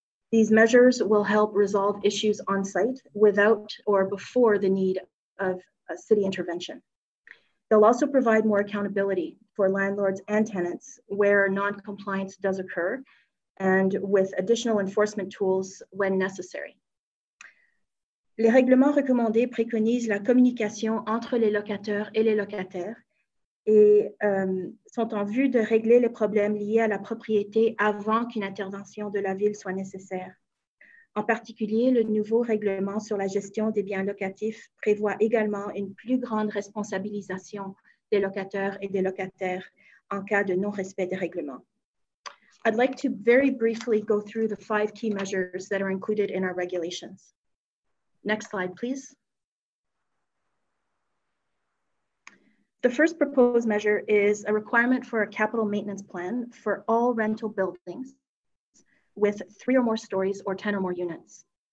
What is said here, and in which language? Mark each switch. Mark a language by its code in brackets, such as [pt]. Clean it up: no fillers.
[en] These measures will help resolve issues on site without or before the need of a city intervention. They'll also provide more accountability for landlords and tenants where non-compliance does occur, and with additional enforcement tools when necessary. [fr] Les règlements recommandés préconisent la communication entre les locataires et les locataires et sont en vue de régler les problèmes liés à la propriété avant qu'une intervention de la ville soit nécessaire. En particulier, le nouveau règlement sur la gestion des biens locatifs prévoit également une plus grande responsabilisation des locataires et des locataires en cas de non-respect des règlements. [en] I'd like to very briefly go through the five key measures that are included in our regulations. Next slide, please. The first proposed measure is a requirement for a capital maintenance plan for all rental buildings with three or more stories or 10 or more units.